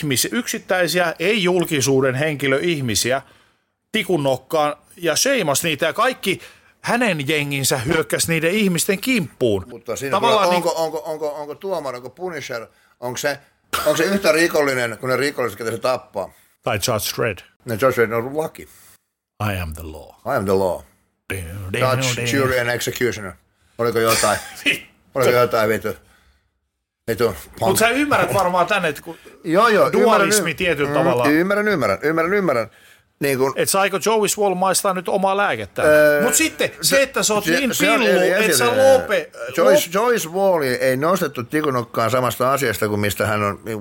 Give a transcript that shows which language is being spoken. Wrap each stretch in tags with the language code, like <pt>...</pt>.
<fi>Yksittäisiä, ei julkisuuden henkilöihmisiä, tikun nokkaan ja seimas niitä ja kaikki hänen jenginsä hyökkäsi niiden ihmisten kimppuun. Mutta siinä tavallaan kyllä, onko tuomari, onko Punisher, onko se yhtä rikollinen kuin ne rikolliset, ketä se tappaa? Tai Judge Dredd. No Judge Dredd on laki.</fi> <en>I am the law. Judge, jury and executioner.</en> <fi>Oliko jotain? Oliko jotain vittu? Mutta sä ymmärrät varmaan tänne, että kun dualismi tietyllä tavalla... Ymmärrän. Niin kun... Että saiko Joey Swall maistaa nyt omaa lääkettä? Mutta sitten se, että sä oot niin pillu, että sä lope... Joey Swall ei nostettu tikunokkaan samasta asiasta kuin mistä hän on...</fi>